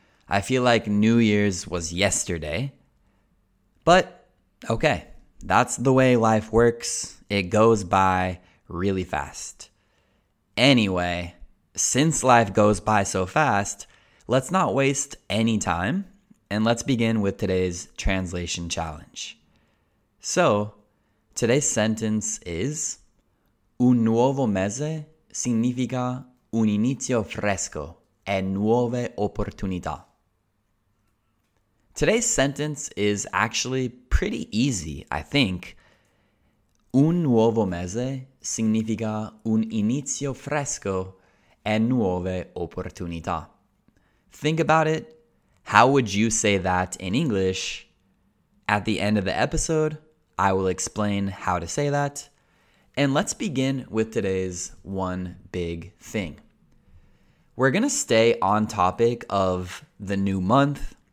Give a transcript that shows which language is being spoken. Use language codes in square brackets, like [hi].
[en] I feel like New Year's was yesterday. But okay, that's the way life works. It goes by really fast. Anyway, since life goes by so fast, let's not waste any time and let's begin with today's translation challenge. So, today's sentence is [it] un nuovo mese significa un inizio fresco e nuove opportunità. [en] Today's sentence is actually pretty easy, I think. [it] Un nuovo mese significa un inizio fresco e nuove opportunità. [en] Think about it. How would you say that in English? At the end of the episode, I will explain how to say that. And let's begin with today's one big thing. We're going to stay on topic of the new month.